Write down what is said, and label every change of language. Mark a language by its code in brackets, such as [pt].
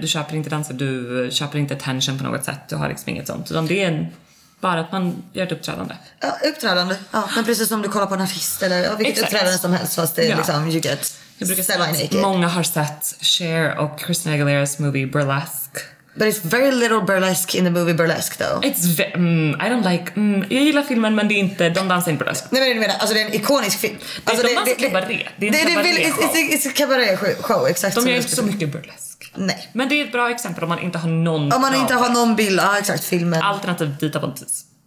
[sv] Du köper inte danser, du köper inte attention på något sätt. Du har liksom inget sånt. Utan det är bara att man gör ett uppträdande. Ja, uppträdande. Ja, men precis som du kollar på en artist eller vilket uppträdande som helst. Fast det är liksom, [en] you get. [sv] Jag brukar säga att många har sett Cher och Christina Aguilera's movie Burlesque. [en] But it's very little burlesque in the movie Burlesque though. It's I don't like [sv] jag gillar filmen, men det är inte, de dansar inte burlesque. Nej, men du menar, alltså det är en ikonisk film. Alltså det är en cabaret show, exakt. De gör inte så mycket burlesque. Nej. Men det är ett bra exempel om man inte har någon. Om man inte har någon bild, ja exakt, filmen. Alternativ Dita Von Teese.